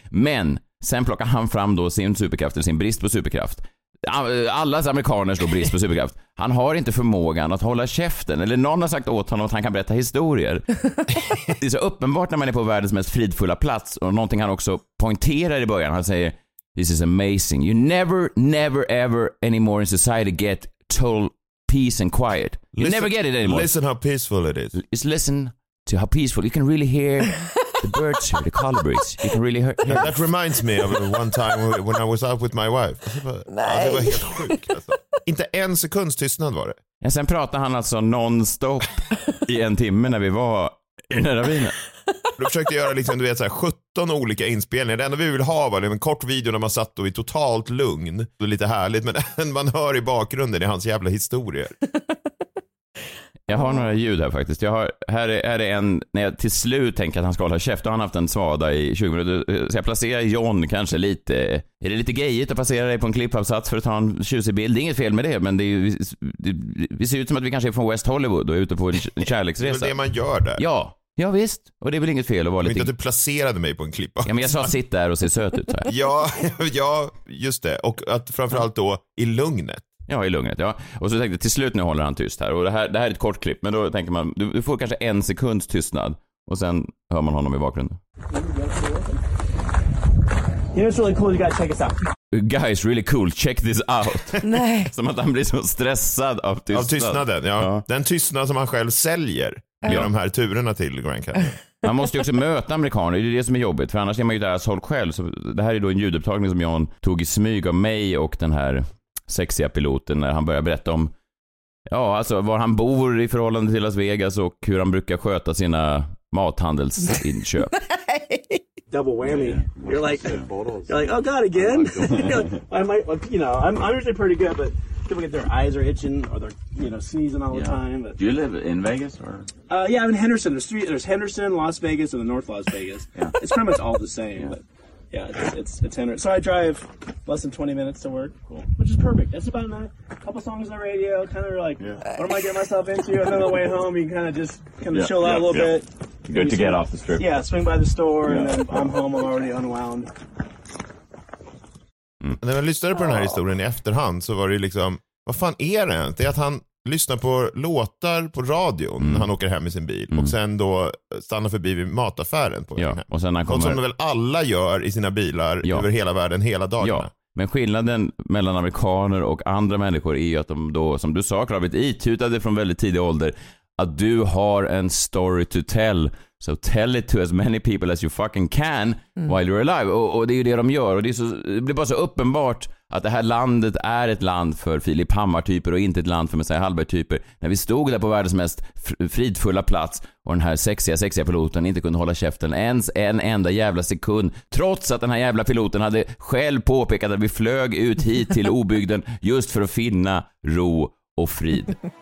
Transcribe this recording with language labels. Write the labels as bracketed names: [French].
[Swedish] Men sen plockar han fram då sin superkraft eller sin brist på superkraft. Allas amerikaners då brist på superkraft. Han har inte förmågan att hålla käften. Eller någon har sagt åt honom att han kan berätta historier. Det är så uppenbart när man är på världens mest fridfulla plats. Och någonting han också poängterar i början. Han säger, [English] this is amazing. You never, never, ever anymore in society get total peace and quiet. You listen, never get it anymore. Listen how peaceful it is. Just listen to how peaceful. You can really hear... The birds here, the colibris, you can really hurt. Yeah, that reminds me of one time when I was out with my wife. [Swedish] Nej. Det var helt sjukt. Inte en sekunds tystnad var det. Ja, sen pratade han alltså nonstop i en timme när vi var i den här ravinen. Då försökte göra liksom, du vet, så här, 17 olika inspelningar. Det enda vi vill ha var en kort video när man satt och är totalt lugn. Det är lite härligt, men man hör i bakgrunden i hans jävla historier. Jag har några ljud här faktiskt. Här är en, när jag till slut tänker att han ska hålla käft, och han haft en svada i 20 minuter. Så jag placerar John kanske lite. Är det lite gejigt att placera dig på en klippavsats för att ta en tjusig bild? Det är inget fel med det, men det ser ut som att vi kanske är från West Hollywood och är ute på en kärleksresa. Det är man gör där. Ja, ja visst. Och det är väl inget fel att vara lite... Inte att du placerade mig på en klippavsats. Ja, men jag sa sitta där och se söt ut. Ja, just det. Och att framförallt då i lugnet. Ja, i lugnet, ja. Och så tänkte jag, till slut nu håller han tyst här. Och det här är ett kort klipp, men då tänker man, du får kanske en sekunds tystnad. Och sen hör man honom i bakgrunden. [English] You know, it's really cool, you gotta check us out. Guys, really cool, check this out. [Swedish] Nej. Som att han blir så stressad av tystnad. Av tystnaden, ja. Den tystnad som han själv säljer i de här turerna till Grand Canyon. Man måste ju också möta amerikaner, det är det som är jobbigt. För annars är man ju deras håll själv. Så det här är då en ljudupptagning som John tog i smyg av mig och den här... sexiga piloten när han börjar berätta om, ja, alltså var han bor i förhållande till Las Vegas och hur han brukar sköta sina mathandelsinköp. [English] double whammy. Yeah, yeah. You're like, you're like, oh God, again. I might, like, you know, I'm usually pretty good, but people get their eyes are itching or they're, you know, sneezing all the time. But, do you live in Vegas or? Yeah, I'm in Henderson. There's Henderson, Las Vegas, and the North Las Vegas. Yeah. It's pretty much all the same. Yeah. But yeah, it's Henderson. So I drive less than 20 minutes to work, cool. Which is perfect. That's about a couple songs on the radio, kind of like, what am I getting myself into? And then on the way home, you can kind of just chill out a little bit. Good to get off the strip. Yeah, swing by the store, and then I'm home, I'm already unwound. Mm. [Swedish] När man lyssnade på den här historien i efterhand så var det liksom, vad fan är det? Det är att han lyssnar på låtar på radion när han åker hem i sin bil och sen då stannar förbi vid mataffären på vägen hem. Och sen han kommer... som väl alla gör i sina bilar över hela världen hela dagarna. Ja. Men skillnaden mellan amerikaner och andra människor är ju att de då, som du sa, kravit itutade från väldigt tidig ålder att du har en [English] story to tell. So tell it to as many people as you fucking can while you're alive. [Swedish] Och det är ju det de gör. Och det, är så, det blir bara så uppenbart att det här landet är ett land för Filip Hammar-typer och inte ett land för Messiah Hallberg-typer. När vi stod där på världens mest fridfulla plats och den här sexiga piloten inte kunde hålla käften ens en enda jävla sekund. Trots att den här jävla piloten hade själv påpekat att vi flög ut hit till obygden just för att finna ro och frid.